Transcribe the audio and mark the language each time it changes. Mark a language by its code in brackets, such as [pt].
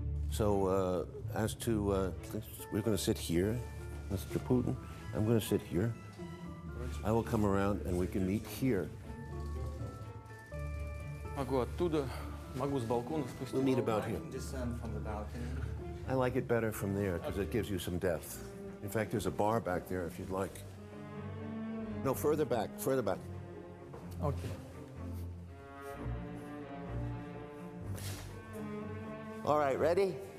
[en] So, as to, we're going to sit here, Mr. Putin. I'm going to sit here. I will come around and we can meet here. [ru] Могу оттуда, могу с балкона спуститься. [en] We'll meet about here. Descend from the balcony. I like it better from there because it gives you some depth. In fact, there's a bar back there if you'd like. No, further back, further back. Okay. All right, ready?